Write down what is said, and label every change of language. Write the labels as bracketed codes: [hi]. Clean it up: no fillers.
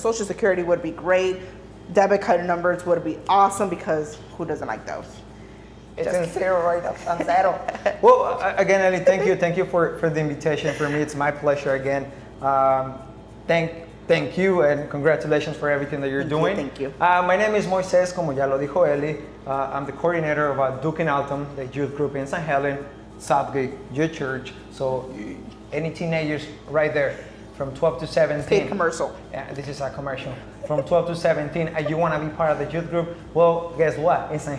[en] Social security would be great, debit card numbers would be awesome, because who doesn't like those? It's in zero right up on zero. Well, again, Ellie, thank you for the invitation. For me, it's my pleasure again. Thank you and congratulations for everything that you're doing. Thank you. My name is Moises, [es] como ya lo dijo Eli. [en] I'm the coordinator of Duc In Altum, the youth group in St. Helen, Southgate Youth Church. So any teenagers right there from 12 to 17. Paid commercial. This is a commercial. From 12 to 17, and you want to be part of the youth group, well, guess what? In St.